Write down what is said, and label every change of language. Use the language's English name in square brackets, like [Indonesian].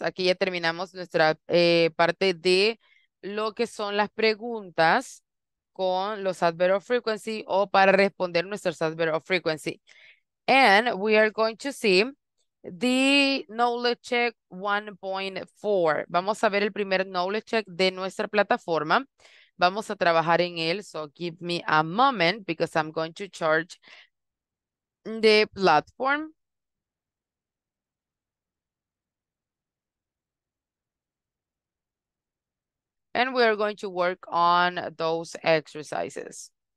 [Spanish] Aquí ya terminamos nuestra parte de lo que son las preguntas con los adverbs of frequency o para responder nuestros adverbs of frequency. [English] And we are going to see the knowledge check 1.4. [Spanish] Vamos a ver el primer knowledge check de nuestra plataforma. Vamos a trabajar en él. [English] So give me a moment because I'm going to charge the platform. And we are going to work on those exercises.